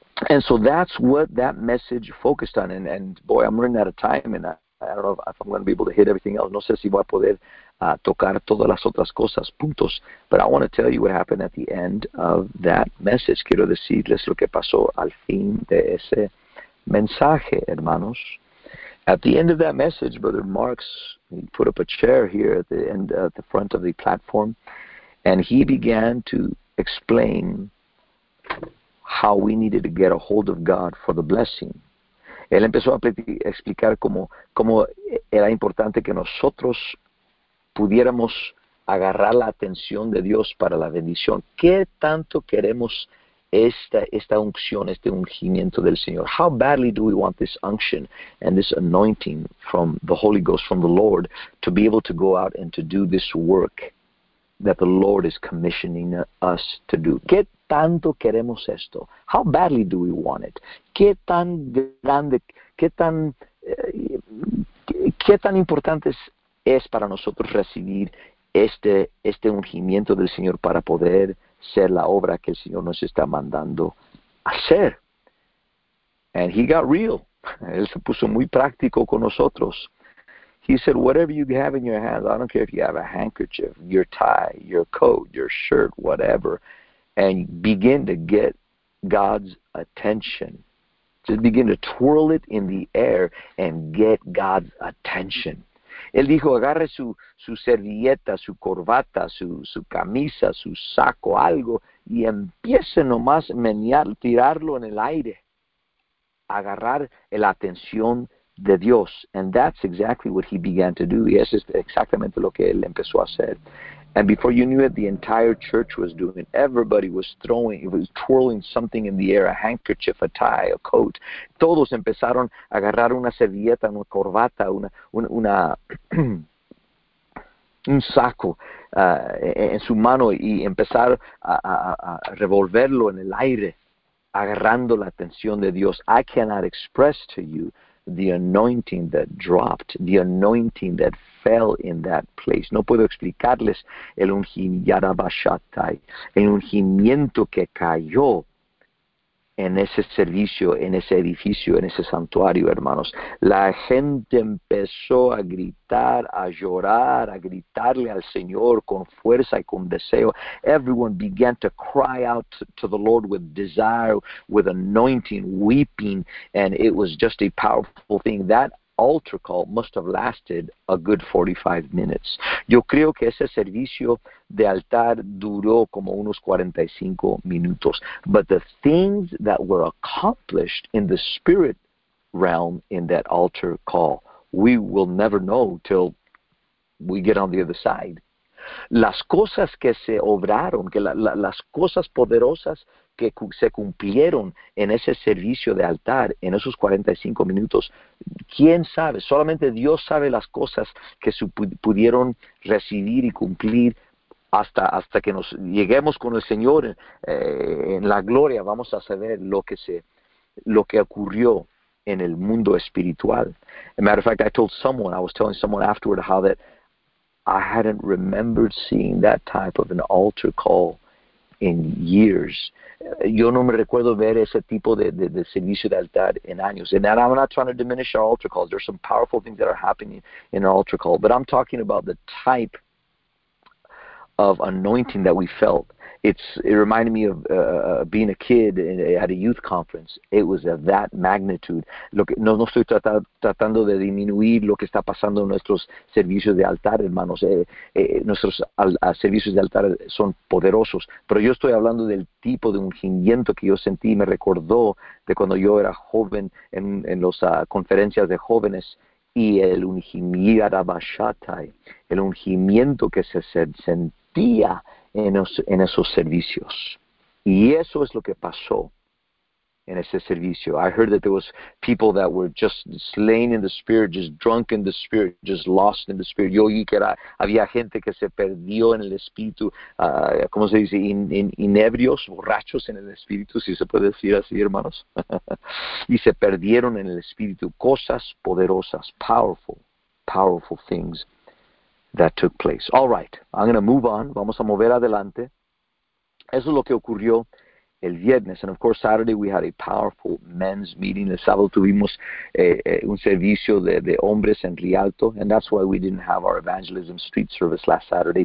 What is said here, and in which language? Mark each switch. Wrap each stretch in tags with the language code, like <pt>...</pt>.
<en>And so that's what that message focused on. And boy, I'm running out of time, and I don't know if I'm going to be able to hit everything else.</en> <es>No sé si voy a poder tocar todas las otras cosas, puntos.</es> <en>But I want to tell you what happened at the end of that message.</en> <es>Quiero decirles lo que pasó al fin de ese mensaje, hermanos.</es> <en>At the end of that message, Brother Marks, he put up a chair here at the end, at the front of the platform. And he began to explain how we needed to get a hold of God for the blessing.</en> <es>Él empezó a explicar cómo era importante que nosotros pudiéramos agarrar la atención de Dios para la bendición. ¿Qué tanto queremos esta unción, este ungimiento del Señor?</es> <en>How badly do we want this unction and this anointing from the Holy Ghost, from the Lord, to be able to go out and to do this work that the Lord is commissioning us to do?</en> <es>¿Qué tanto queremos esto?</es> <en>How badly do we want it?</en> <es>¿Qué tan grande, qué tan importante es para nosotros recibir este ungimiento del Señor para poder ser la obra que el Señor nos está mandando hacer?</es> <en>And he got real.</en> <es>Él se puso muy práctico con nosotros.</es> <en>He said, whatever you have in your hands, I don't care if you have a handkerchief, your tie, your coat, your shirt, whatever, and begin to get God's attention. Just begin to twirl it in the air and get God's attention.</en> <es>Él dijo, agarre su servilleta, su corbata, su camisa, su saco, algo, y empiece nomás a menear, tirarlo en el aire, agarrar la atención de Dios.</es> <en>And that's exactly what he began to do.</en> <es>Y eso es exactamente lo que él empezó a hacer.</es> <en>And before you knew it, the entire church was doing it. Everybody was throwing, it was twirling something in the air, a handkerchief, a tie, a coat.</en> <es>Todos empezaron a agarrar una servilleta, una corbata, una un saco en su mano y empezar a revolverlo en el aire, agarrando la atención de Dios.</es> <en>I cannot express to you the anointing that dropped, the anointing that fell in that place.</en> <es>No puedo explicarles el ungimiyarabashatai, el ungimiento que cayó en ese servicio, en ese edificio, en ese santuario, hermanos. La gente empezó a gritar, a llorar, a gritarle al Señor con fuerza y con deseo.</es> <en>Everyone began to cry out to the Lord with desire, with anointing, weeping, and it was just a powerful thing. That altar call must have lasted a good 45 minutes.</en> <es>Yo creo que ese servicio de altar duró como unos 45 minutos.</es> <en>But the things that were accomplished in the spirit realm in that altar call, we will never know till we get on the other side.</en> <es>Las cosas que se obraron, que las cosas poderosas que se cumplieron en ese servicio de altar, en esos 45 minutos, ¿quién sabe? Solamente Dios sabe las cosas que pudieron recibir y cumplir hasta que nos lleguemos con el Señor en la gloria. Vamos a saber lo que ocurrió en el mundo espiritual.</es> <en>As a matter of fact, I was telling someone afterward how that I hadn't remembered seeing that type of an altar call in years.</en> <es>Yo no me recuerdo ver ese tipo de servicio de altar en años.</es> <en>And I'm not trying to diminish our altar calls. There's some powerful things that are happening in our altar call. But I'm talking about the type of anointing that we felt. It reminded me of being a kid at a youth conference. It was of that magnitude.</en> <es>No estoy tratando de disminuir lo que está pasando en nuestros servicios de altar, hermanos. Nuestros servicios de altar son poderosos. Pero yo estoy hablando del tipo de ungimiento que yo sentí. Me recordó de cuando yo era joven en las conferencias de jóvenes. Y el ungimiento que se sentía en esos servicios. Y eso es lo que pasó en ese servicio.</es> <en>I heard that there was people that were just slain in the spirit, just drunk in the spirit, just lost in the spirit.</en> <es>Yo oí que había gente que se perdió en el espíritu, ¿cómo se dice? Inebrios, borrachos en el espíritu, si se puede decir así, hermanos. Y se perdieron en el espíritu. Cosas poderosas,</es> <en>powerful, powerful things that took place. All right, I'm going to move on.</en> <es>Vamos a mover adelante. Eso es lo que ocurrió el viernes.</es> <en>And of course, Saturday we had a powerful men's meeting.</en> <es>El sábado tuvimos un servicio de hombres en Rialto.</es> <en>And that's why we didn't have our evangelism street service last Saturday.</en>